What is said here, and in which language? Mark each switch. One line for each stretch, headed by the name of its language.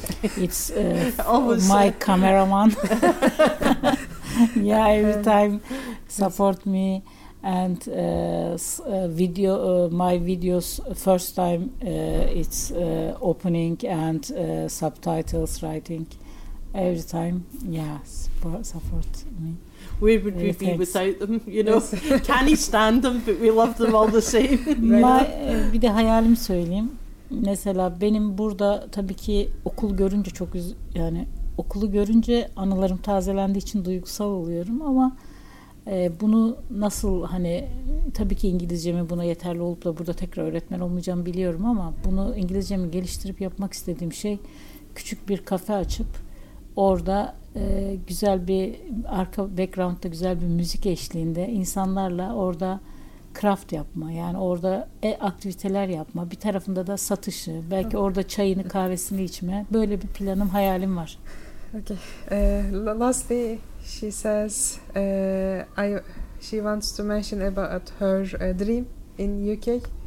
English: It's almost my cameraman. Yeah, every time support me, and video my videos first time it's opening and subtitles writing. every time, yes, support me. Where would we be without them, you know? Can't stand them, but we love them all the same.
Turkish: Bir de hayalim söyleyeyim. Mesela benim burada tabii ki okul görünce çok yani okulu görünce anılarım tazelendiği için duygusal oluyorum ama bunu nasıl hani tabii ki İngilizcemi buna yeterli olup da burada tekrar öğretmen olmayacağımı biliyorum ama bunu İngilizcemi geliştirip yapmak istediğim şey küçük bir kafe açıp orada güzel bir arka background'da güzel bir müzik eşliğinde insanlarla orada craft yapma yani orada aktiviteler yapma bir tarafında da satışı belki orada çayını kahvesini içme böyle bir planım hayalim var.
English: Okay. Lastly, she says she wants to mention about her dream in UK.